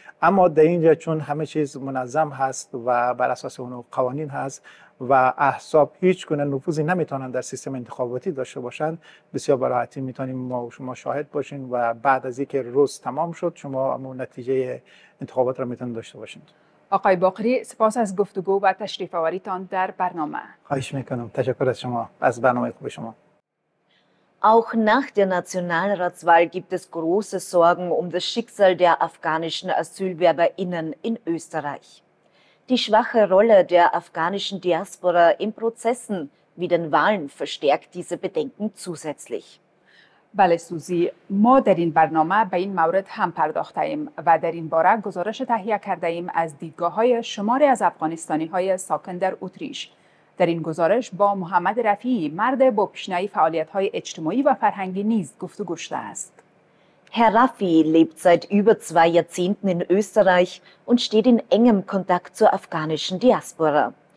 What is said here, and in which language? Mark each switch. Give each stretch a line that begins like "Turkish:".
Persian: اما در اینجا چون همه چیز منظم هست و بر اساس اون قوانین هست و احزاب هیچ گونه نفوذی نمیتونند در سیستم انتخاباتی داشته باشند، بسیار براحتی میتونیم ما و شما شاهد باشین و بعد از اینکه روز تمام شد شما هم نتیجه انتخابات را میتونید داشته باشین. آقای باقری، سپاس از گفتگو و تشریف آوریتان در برنامه. خواهش میکنم. تشکر از شما، از برنامه خوب شما.
German: Auch nach der Nationalratswahl gibt es große Sorgen um das Schicksal der afghanischen AsylwerberInnen in Österreich. Die schwache Rolle der afghanischen Diaspora in Prozessen wie den Wahlen verstärkt diese Bedenken zusätzlich.
Persian: بله سوزی، ما در این برنامه به این مورد هم پرداختیم و در این باره گزارش تهیه کرده ایم از دیدگاه‌های شماری از افغانستانی‌های ساکن در اتریش. در این گزارش با محمد رفیعی، مرد با پیشنه فعالیت‌های اجتماعی و فرهنگی نیز گفتگو شده است.
German: Herr Rafi lebt seit über zwei Jahrzehnten in Österreich und steht in engem Kontakt zur afghanischen Diaspora.